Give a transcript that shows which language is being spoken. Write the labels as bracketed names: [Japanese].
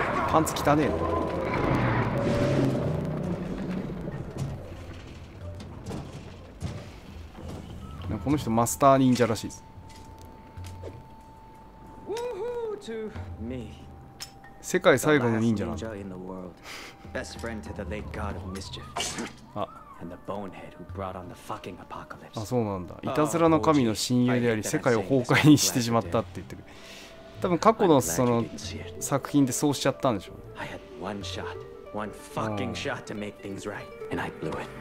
[Japanese] パンツ汚ねえの。この人マスター忍者らしいです。 [English] Woohoo to me. [Japanese] 世界最後の忍者なんだ。 [English] Best friend to the late god of mischief. And the bonehead who brought on the fucking apocalypse. [Japanese] あ、そうなんだ。いたずらの神の親友であり、世界を崩壊にしてしまったって言ってる。多分過去のその作品でそうしちゃったんでしょう、ね。 [English] I had one shot, one fucking shot to make things right, and I blew it.